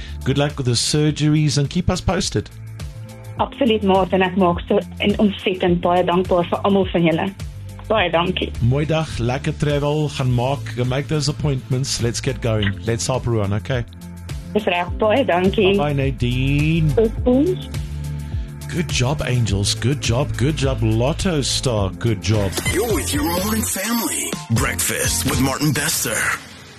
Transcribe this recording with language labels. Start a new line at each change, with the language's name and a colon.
English: Good luck with the surgeries and keep us posted.
Afrikaans: Absoluut, Martin. Ek maak so en ontzettend baie dankbaar vir allemaal van julle. Baie dankie. Mooi dag, lekker travel. Gaan maak,
English: make those appointments. Let's get going. Let's help Ruan, okay?
Afrikaans: Dis reg, baie dankie.
English: Bye-bye, Nadine. Good job, Angels. Good job, Lotto Star. Good job. You're with your morning family. Breakfast with Martin Besser.